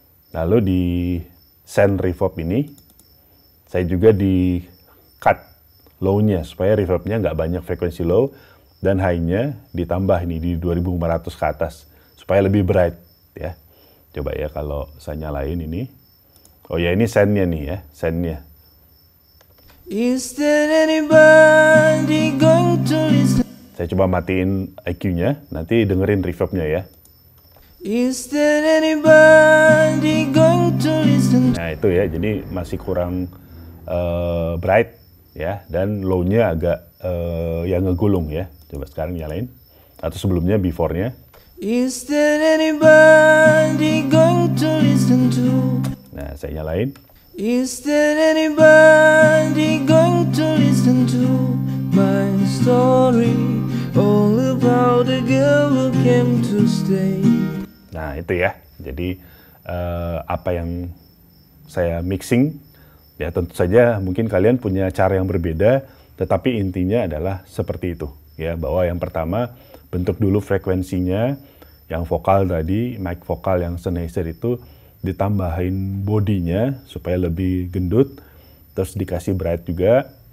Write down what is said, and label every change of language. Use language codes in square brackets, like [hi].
[id] Lalu di send reverb ini, saya juga di cut low-nya supaya reverb-nya nggak banyak frekuensi low, dan high-nya ditambah ini di 2500 ke atas supaya lebih bright ya. Coba ya kalau saya nyalain ini. Oh ya, ini send-nya nih ya, send-nya. [en] Is there anybody going to listen? [id] Saya coba matiin EQ-nya, nanti dengerin reverb-nya ya. [en] Is there anybody going to listen? [id] Nah itu ya, jadi masih kurang bright ya, dan low-nya agak yang ngegulung ya. Coba sekarang nyalain, atau sebelumnya before-nya. [en] Is there anybody going to listen to? [id] Nah saya nyalain. [en] Is there anybody going to listen to my story? All about the girl who came to stay. [id] Nah itu ya, jadi apa yang saya mixing ya, tentu saja mungkin kalian punya cara yang berbeda, tetapi intinya adalah seperti itu ya, bahwa yang pertama bentuk dulu frekuensinya, yang vokal tadi, mic vokal yang Sennheiser itu ditambahin bodinya supaya lebih gendut, terus dikasih bright juga.